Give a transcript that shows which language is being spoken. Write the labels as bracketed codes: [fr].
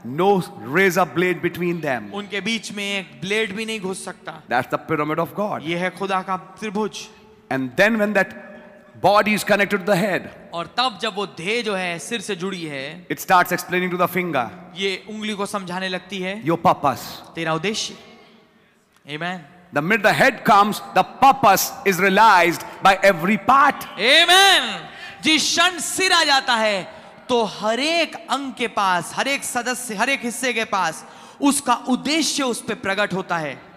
[en] No razor blade between them. [hi] उनके बीच में एक ब्लेड भी नहीं घुस सकता. [en] That's the pyramid of God. [hi] ये है खुदा का त्रिभुज. [en] And then when that body is connected to the head, [hi] और तब जब वो देह जो है सिर से जुड़ी है, [en] it starts explaining to the finger, [hi] ये उंगली को समझाने लगती है, [en] your purpose, [hi] तेरा उद्देश्य. Amen. [en] The minute the head comes, the purpose is realized by every part. Amen. [hi] जिस क्षण सिर आ जाता है तो हर एक अंग के पास, हर एक सदस्य, हर एक हिस्से के पास उसका उद्देश्य उस पर प्रकट होता है.